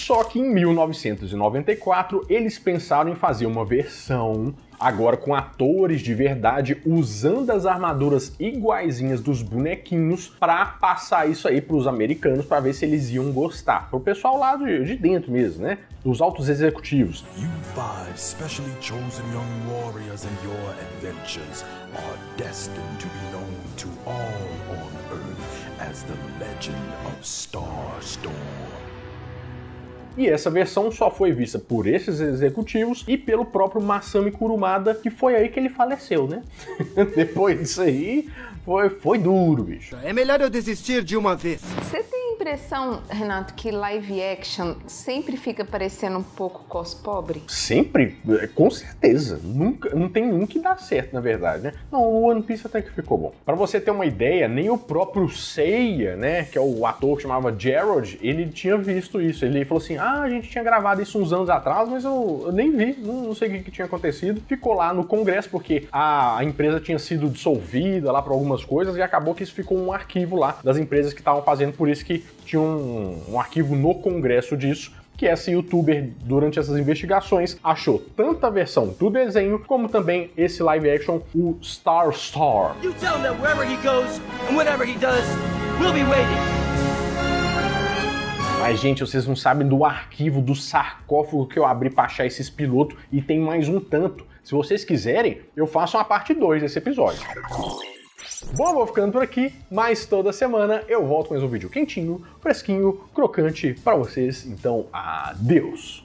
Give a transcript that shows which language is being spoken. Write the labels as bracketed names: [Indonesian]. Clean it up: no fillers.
[Portuguese] Só que em 1994, eles pensaram em fazer uma versão... Agora com atores de verdade usando as armaduras iguaizinhas dos bonequinhos pra passar isso aí pros americanos pra ver se eles iam gostar. Pro pessoal lá de dentro mesmo, né? Dos altos executivos. [English] You five specially chosen young warriors and your adventures are destined to be known to all on Earth as the legend of Star Storm. [Portuguese] E essa versão só foi vista por esses executivos e pelo próprio Masami Kurumada, que foi aí que ele faleceu, né? Depois disso aí, foi duro, bicho. É melhor eu desistir de uma vez. Você tem impressão, Renato, que live action sempre fica parecendo um pouco cos-pobre? Sempre? Com certeza. Nunca, não tem um que dá certo, na verdade, né? Não, o One Piece até que ficou bom. Pra você ter uma ideia, nem o próprio Seiya, né, que é o ator que chamava Gerald, ele tinha visto isso. Ele falou assim, a gente tinha gravado isso uns anos atrás, mas eu nem vi, não sei o que tinha acontecido. Ficou lá no congresso, porque a empresa tinha sido dissolvida lá pra algumas coisas, e acabou que isso ficou um arquivo lá das empresas que estavam fazendo, por isso que tinha um arquivo no congresso disso, que esse youtuber, durante essas investigações, achou tanto a versão do desenho, como também esse live action, o Star Storm. [English] You tell them wherever he goes, and whatever he does, we'll be waiting. [Portuguese] Mas, gente, vocês não sabem do arquivo, do sarcófago que eu abri pra achar esses pilotos, e tem mais um tanto. Se vocês quiserem, eu faço uma parte 2 desse episódio. Bom, vou ficando por aqui, mas toda semana eu volto com mais um vídeo quentinho, fresquinho, crocante pra vocês. Então, adeus!